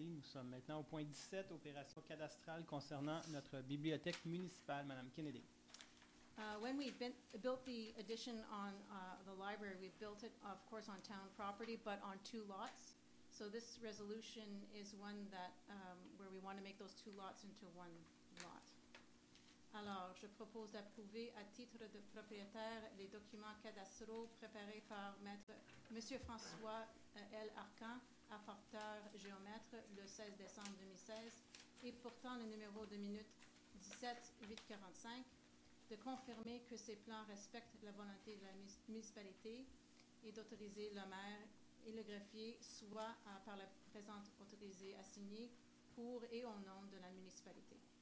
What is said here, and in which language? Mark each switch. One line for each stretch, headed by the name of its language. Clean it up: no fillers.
French: Nous sommes maintenant au point 17, opération cadastrale concernant notre bibliothèque municipale, Madame Kennedy.
English: When we built the addition on the library, we built it, of course, on town property, but on two lots. So this resolution is one that where we want to make those two lots into one lot.
French: Alors, je propose d'approuver à titre de propriétaire les documents cadastraux préparés par Maître Monsieur François L. Arcan, apporteur géomètre, le 16 décembre 2016, et portant le numéro de minute 17845, de confirmer que ces plans respectent la volonté de la municipalité et d'autoriser le maire et le greffier soit par la présente autorisée à signer pour et au nom de la municipalité.